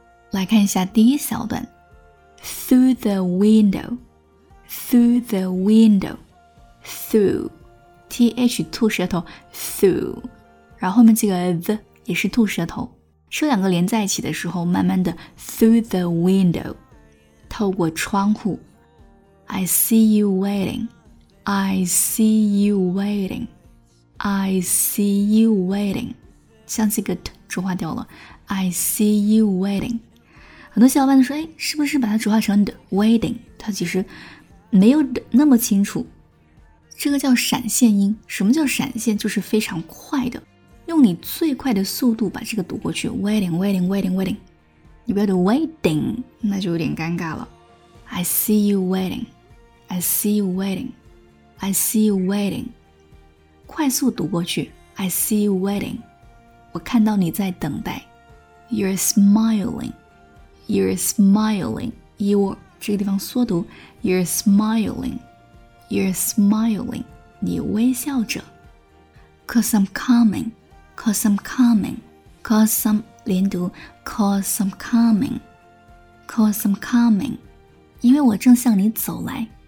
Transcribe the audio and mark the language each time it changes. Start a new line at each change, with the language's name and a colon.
Chinese: 来看一下第一小段
English: Through the window, Through the window, Through
Chinese: TH 吐舌头
English: Through, 然后后面这个 the
Chinese: 也是吐舌头，这两个连在一起的时候，慢慢的
English: Through the window,
Chinese: 透过窗户
English: I see you waiting, I see you waiting, I see you waiting,
Chinese: 像这个
English: t
Chinese: 浊化掉了
English: I see you waiting。
Chinese: 很多小伙伴说，哎，是不是把它浊化成
English: the wedding，
Chinese: 它其实没有的那么清楚，这个叫闪现音。什么叫闪现？就是非常快的，用你最快的速度把这个读过去， wedding wedding wedding wedding， 你不要读 wedding， 那就有点尴尬了。
English: I see you waiting, I see you waiting, I see you waiting，
Chinese: 快速读过去，
English: I see you waiting，
Chinese: 我看到你在等待。
English: You're smilingYou're smiling, you're,
Chinese: 这个地方缩读
English: You're smiling, you're smiling,
Chinese: 你微笑着
English: Cause I'm coming, cause I'm coming, cause I'm,
Chinese: 连读
English: Cause I'm coming, cause I'm coming,
Chinese: 因为我正向你走来